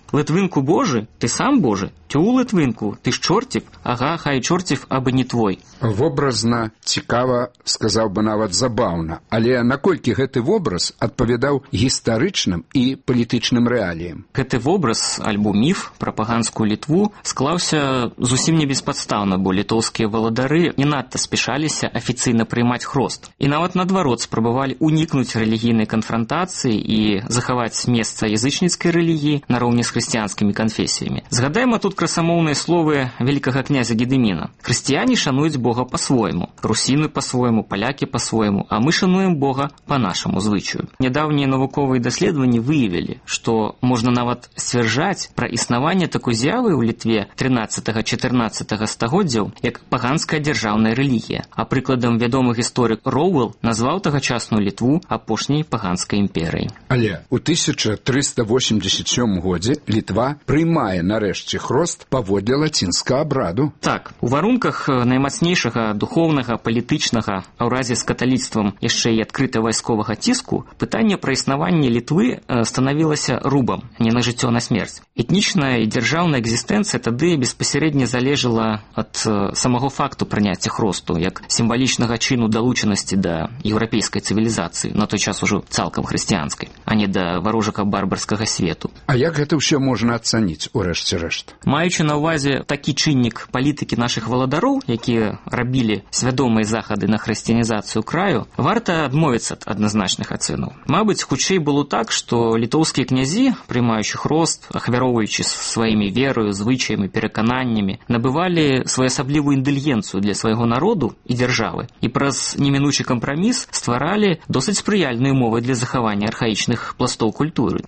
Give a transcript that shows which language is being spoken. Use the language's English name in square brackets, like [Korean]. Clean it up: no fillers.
[Ukrainian] Литвинку Боже, ти сам Боже, тю Литвинку, ти ж чортів, ага, хай чортів, аби не твой. [Belarusian] Вобразна, цікава, сказав би навіть забавна, але наколькі гэты вобраз адпавядаў гістарычным і палітычным рэаліям? Гэты вобраз, альбо міф пра паганскую Літву, склаўся зусім не беспадстаўна, бо літоўскія валадары не надта спішаліся афіцыйна прыймаць хрост. І нават наадварот спрабавалі унікнуць рэлігійнай канфрантацыі і захаваць месца язычніцкай рэлігіі на роўні хрысціянскімі канфесіямі. Згадаем тут красамоўныя словы вялікага князя Гедыміна. Хрысціяне шануюць Бога па-свойму, русіны па-свойму, палякі па-свойму, а мы шануем Бога па нашаму звычаю. Нядаўнія навуковыя даследаванні выявілі, што можна нават сцвярджаць пра існаванне такой з'явы ў Літве 13-14 стагоддзяў як паганская дзяржаўная рэлігія. А прыкладам вядомы гісторык Роуэлл назваў тагачасную Літву апошняй паганскай імперыяй. Але ў [Ukrainian] 1387 годзе Літва приймає нарешті хрост поводле латинського обраду. Так, у варунках наймацнейшого духовного, політичного, а в разі з католіцтвом ще й відкрите військового тиску, питання про існування Літви становилося рубом, не на життя, а на смерть. Етнічна і державна екзистенція тоді безпосередньо залежала від самого факту прийняття хросту, як символічного чину долученості до європейської цивілізації, на той час уже цілком християнської, а не до ворожого барбарського світу. [Belarusian] А як гэта ўсё можна ацаніць у рэшце рэшт? Маючы на ўвазе такі чыннік палітыкі нашых валадароў, якія рабілі свядомыя захады на хрысціянізацыю краю, варта адмовіцца ад адназначных ацэнаў. Мабыць, хутчэй было так, што літоўскія князі, прымаючы хрост, ахвяроўваючы сваімі верою, звычаямі, перакананнямі, набывалі своеасаблівую індульгенцыю для свайго народу і дзяржавы, і праз немінучы кампраміс стваралі досыць спрыяльныя умовы для захавання архаічных пластоў культуры.